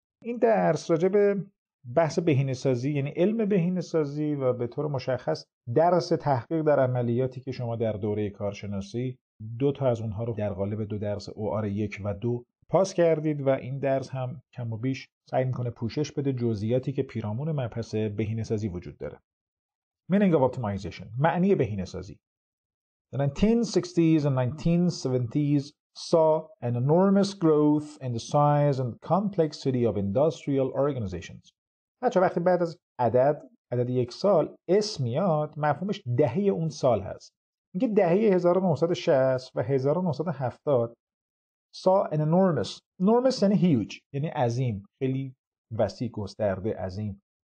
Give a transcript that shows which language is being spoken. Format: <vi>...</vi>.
<fa>این درس راجع به بحث بهینه سازی، یعنی علم بهینه سازی و به طور مشخص درس تحقیق در عملیاتی که شما در دوره کارشناسی دو تا از اونها رو در قالب دو درس OR 1 و 2 پاس کردید و این درس هم کم و بیش سعی میکنه پوشش بده جزئیاتی که پیرامون مبحث بهینه سازی وجود داره.</fa> <en>Meaning of optimization،</en> <fa>معنی بهینه سازی.</fa> <en>The 1960s and 1970s saw an enormous growth in the size and complexity of industrial organizations.</en> <fa>بچه وقتی بعد از عدد یک سال اسم میاد، مفهومش دهه اون سال هست. میگه دهه 1960 و 1970</fa> <en>saw an enormous.</en> <fa>Enormous یعنی huge، یعنی عظیم، خیلی وسیع، گسترده، عظیم.</fa>